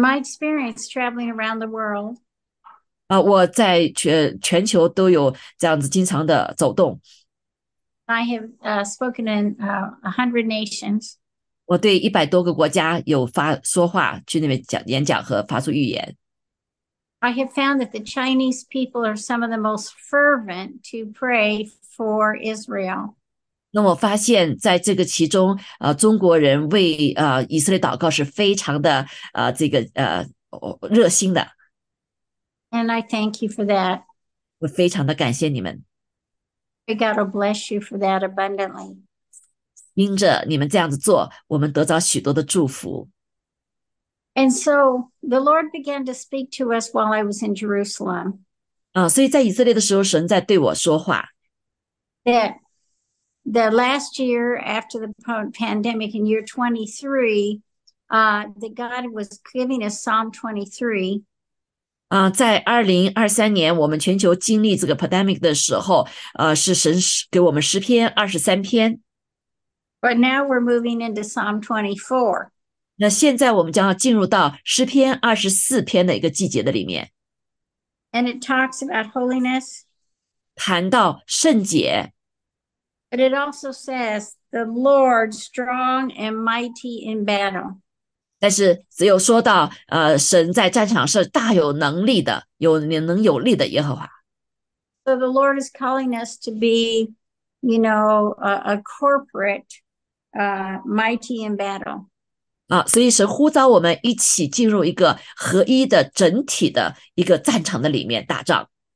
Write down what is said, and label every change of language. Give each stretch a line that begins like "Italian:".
English: my experience traveling around the world,
Chinese: 我在全球都有这样子经常的走动。
English: I have spoken in 100 nations.
Chinese: 我对100多个国家有发说话，去那边讲演讲和发出预言。
English: I have found that the Chinese people are some of the most fervent to pray for Israel.
Chinese: 那我发现，在这个其中，中国人为以色列祷告是非常的这个热心的。
English: And I thank you for that.
Chinese: 我非常的感谢你们。
English: May God bless you for that abundantly.
Chinese: 因着你们这样子做，我们得到许多的祝福。
English: And so the Lord began to speak to us while I was in Jerusalem.
Chinese: 所以在以色列的时候，神在对我说话。
English: That the last year after the pandemic in year 23, that God was giving us Psalm 23.
Chinese: 在2023年我们全球经历这个 pandemic 的时候，是神给我们诗篇23篇。
English: But now we're moving into Psalm 24.
Chinese: 那现在我们将要进入到诗篇24篇的一个季节的里面。
English: And it talks about holiness.
Chinese: 谈到圣洁。
English: But it also says, the Lord strong and mighty in battle.
Chinese: 但是只有说到神在战场是大有能力的，有能有力的耶和华。
English: So the Lord is calling us to be, you know, a corporate, mighty in battle.
Chinese: 所以神呼召我们一起进入一个合一的整体的一个战场的里面打仗。